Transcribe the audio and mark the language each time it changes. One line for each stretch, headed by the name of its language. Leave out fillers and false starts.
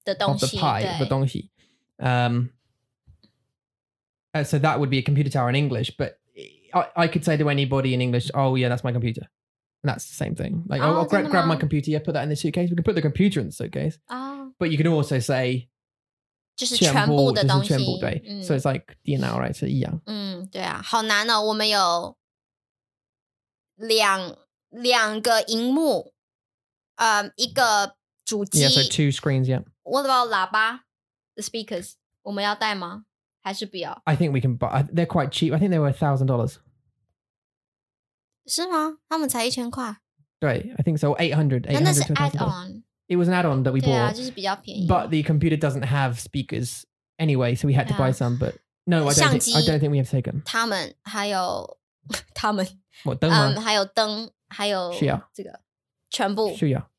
Chinese: 的东西
English: of the pie,
Chinese: 的东西
English: So that would be a computer tower in English, but I could say to anybody in English, oh yeah, that's my computer. And that's the same thing. Like, I'll grab my computer, yeah, put that in the suitcase. We can put the computer in the suitcase. Oh. But you can also say,
Chinese: 就是全部的东西，就是全部，对。
English: So it's like DNL, right?
Chinese: 是一样。对啊，好难哦。我们有两个荧幕， 一个主机。
English: Yeah, so two screens, yeah. What about
Chinese: 喇叭?
English: The speakers?
Chinese: 我们要带吗?还是不要?
English: I think we can buy, they're quite cheap. I think they were $1,000.
Chinese: 是吗?他们才1000块。
English: 对, I think so, 800. And that's add-on. It was an add-on that we bought.
Chinese: 对啊，就是比较便宜。
English: But the computer doesn't have speakers anyway, so we had to buy some, but no, I don't think we have taken.
Chinese: 他们还有, 他们, 我灯吗? 还有灯,还有这个, 全部。需要。